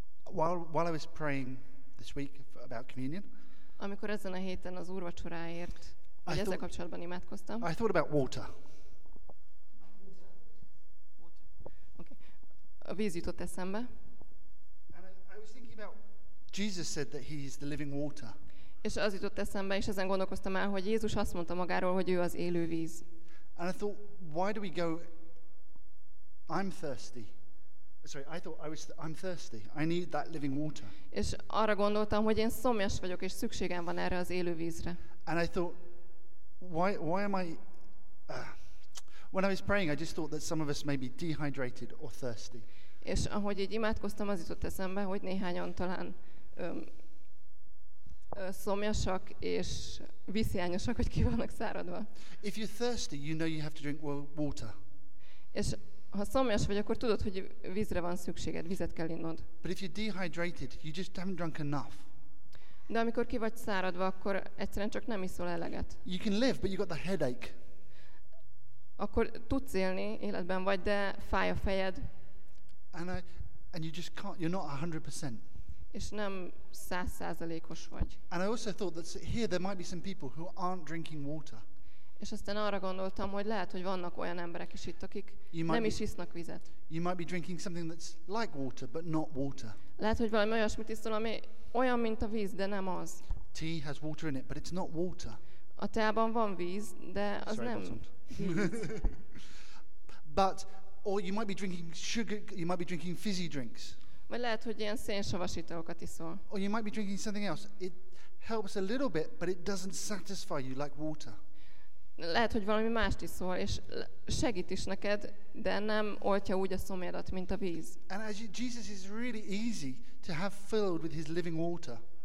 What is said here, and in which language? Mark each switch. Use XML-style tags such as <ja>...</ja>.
<en>While I was praying this week about communion,</en> <hu>amikor ezen a héten az úrvacsoráért, vagy ezzel kapcsolatban imádkoztam.</hu> <en>I thought about water.</en> <hu>Okay. A víz jutott eszembe.</hu> <en>And I was thinking about Jesus said that he is the living water.</en> <hu>És az jutott eszembe, és ezen gondolkoztam el, hogy Jézus azt mondta magáról, hogy ő az élő víz.</hu> <en>And I thought, why do we go, I'm thirsty. Sorry, I'm thirsty. I need that living water.</en> <hu>És arra gondoltam, hogy én szomjas vagyok, és szükségem van erre az élő vízre.</hu> <en>And I thought, why am I? When I was praying, I just thought that some of us may be dehydrated or thirsty.</en> <hu>És ahogy így imádkoztam, az jutott eszembe, hogy néhányan talán szomjasak és vízhiányosak, hogy ki vannak száradva.</hu> <en>If you're thirsty, you know you have to drink water.</en> <hu>És ha szomjas vagy, akkor tudod, hogy vízre van szükséged, vizet kell innod.</hu> <en>But if you're dehydrated, you just haven't drunk enough.</en> <hu>De amikor ki vagy száradva, akkor egyszerűen csak nem iszol eleget.</hu> <en>You can live, but you got the headache.</en> <hu>Akkor tudsz élni, életben vagy, de fáj a fejed.</hu> <en>And you just can't, you're not 100%.</en> <hu>És nem 100%-os vagy.</hu> <en>And I also thought that here there might be some people who aren't drinking water.</en> <hu>És aztán arra gondoltam, hogy lehet, hogy vannak olyan emberek is itt, akik nem is isznak vizet.</hu> <en>You might be drinking something that's like water, but not water.</en> <hu>Lehet, hogy valami olyasmit iszol, ami olyan, mint a víz, de nem az.</hu> <en>Tea has water in it, but it's not water.</en> <hu>A teában van víz, de az nem víz.</hu> <en>But, or you might be drinking sugar, you might be drinking fizzy drinks.</en> <hu>Vagy lehet, hogy ilyen szénsavas italokat iszol.</hu> <en>Or you might be drinking something else. It helps a little bit, but it doesn't satisfy you like water.</en> <hu>Lehet, hogy valami mást iszol, és segít is neked, de nem oltja úgy a szomjadat, mint a víz.</hu> <en>And as Jesus is really easy to have filled with his living water.</en>